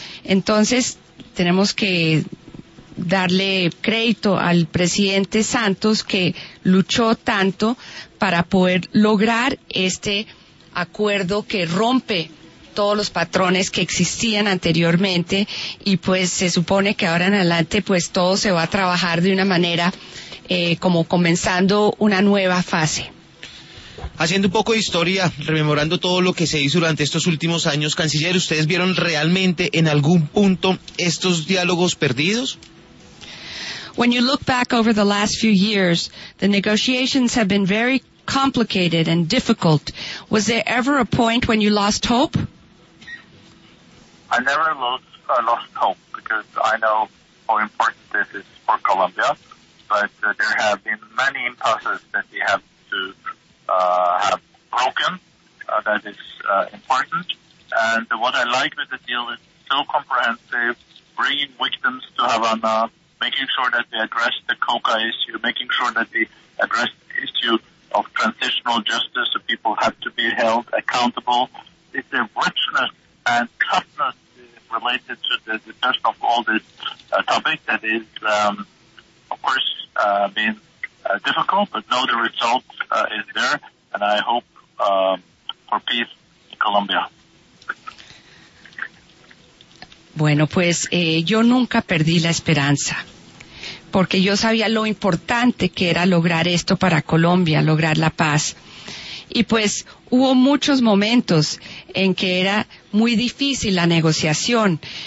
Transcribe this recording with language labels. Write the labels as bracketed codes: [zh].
[es] Entonces, tenemos que darle crédito al presidente Santos, que luchó tanto para poder lograr este acuerdo que rompe todos los patrones que existían anteriormente, y pues se supone que ahora en adelante pues todo se va a trabajar de una manera como comenzando una nueva fase. Haciendo un poco de historia, rememorando todo lo que se hizo durante estos últimos años, canciller, ¿ustedes vieron realmente en algún punto estos diálogos perdidos? [en] When you look back over the last few years, the negotiations have been very complicated and difficult. Was there ever a point when you lost hope? I never lost hope, because I know how important this is for Colombia, but there have been many impasses that we have to have broken that is important. And what I like with the deal is so comprehensive, bringing victims to Havana, making sure that we address the coca issue, making sure that we address the issue of transitional justice, so people have to be held accountable. It's a richness and toughness related to the discussion of all this topic that is, of course, been difficult, but now the result is there, and I hope for peace in Colombia. [es] Bueno, pues yo nunca perdí la esperanza, porque yo sabía lo importante que era lograr esto para Colombia, lograr la paz. Y pues hubo muchos momentos en que era muy difícil la negociación.